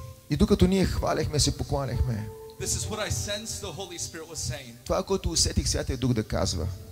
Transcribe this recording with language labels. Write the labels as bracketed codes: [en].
[bg] И докато ние хвалехме, се покланяхме, [en] this is what I sense the Holy Spirit was saying. [bg] Това, което усетих Святия Дух да казва.